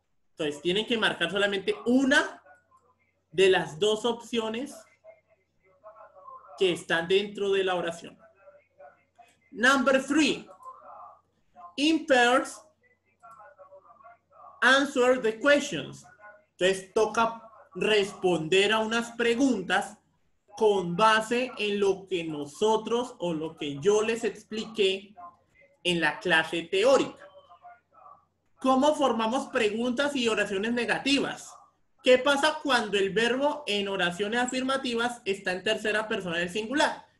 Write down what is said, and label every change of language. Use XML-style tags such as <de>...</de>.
<es>Entonces, tienen que marcar solamente una de las dos opciones que están dentro de la oración.</es> <en>Number three. in pairs answer the questions.</en> <es>Entonces toca responder a unas preguntas con base en lo que nosotros o lo que yo les expliqué en la clase teórica. ¿Cómo formamos preguntas y oraciones negativas? ¿Qué pasa cuando el verbo en oraciones afirmativas está en tercera persona del singular?</es>